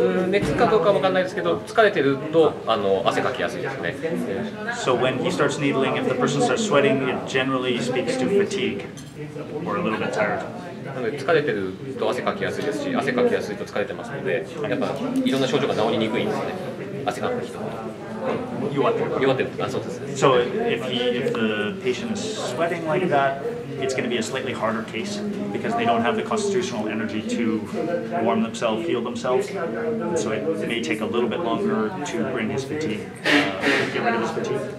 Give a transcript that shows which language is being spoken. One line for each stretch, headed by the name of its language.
Japanese: 熱かどうかわかんないですけど、疲れてると汗かきやすいですね。
English: So when he starts needling, if the person starts sweating, it generally speaks to fatigue or a little bit tired.
Japanese: なので疲れてると汗かきやすいですし、汗かきやすいと疲れてますので、やっぱいろんな症状が治りにくいんですね。汗かく人。
English: So if the patient is sweating like that, it's going to be a slightly harder case because they don't have the constitutional energy to warm themselves, heal themselves. And so it may take a little bit longer to bring his fatigue, get rid of his fatigue.